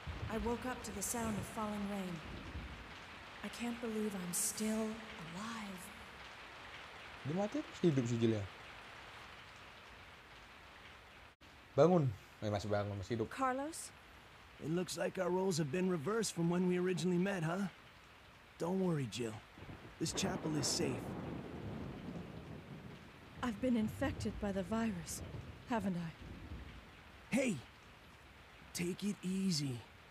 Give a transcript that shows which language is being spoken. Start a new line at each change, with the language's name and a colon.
English: I woke up to the sound of falling rain. I can't believe I'm still alive.
Indonesian: Dia mati atau hidup si Jill ya? Bangun. Masih bangun, masih hidup. Carlos?
English: It looks like our roles have been reversed from when we originally met, huh? Don't worry, Jill. This chapel is safe. I've been infected by the virus, haven't I? Hey! Take it easy.